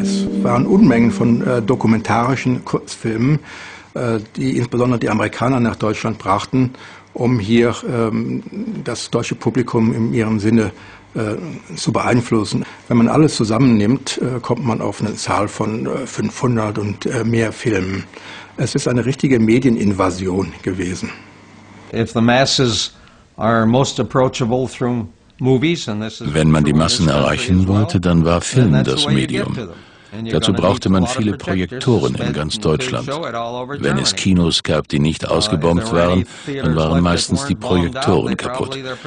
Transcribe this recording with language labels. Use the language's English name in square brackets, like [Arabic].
[German] Es waren Unmengen von dokumentarischen Kurzfilmen, die insbesondere die Amerikaner nach Deutschland brachten, um hier das deutsche Publikum in ihrem Sinne zu beeinflussen. Wenn man alles zusammennimmt, kommt man auf eine Zahl von 500 und mehr Filmen. Es ist eine richtige Medieninvasion gewesen. [English] If the masses are most approachable through movies, and this is [German] wenn man die Massen erreichen wollte, dann war Film das Medium. Dazu brauchte man viele Projektoren in ganz Deutschland. Wenn es Kinos gab, die nicht ausgebombt waren, dann waren meistens die Projektoren kaputt.